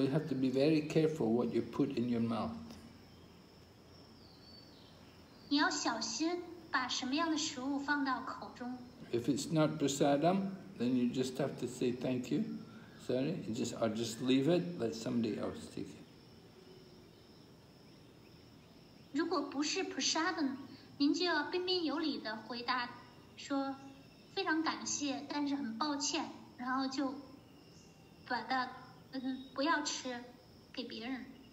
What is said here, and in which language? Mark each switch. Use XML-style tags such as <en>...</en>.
<en>you have to be very careful what you put in your mouth.</en> <zh>你要小心把什么样的食物放到口中。</zh> <en>If it's not prasadam, then you just have to say thank you, sorry, and just or just leave it, let somebody else take it.</en> <zh>如果不是 prasadam, 您就要彬彬有礼地回答说非常感谢，但是很抱歉，然后就把它不要吃给别人。</zh>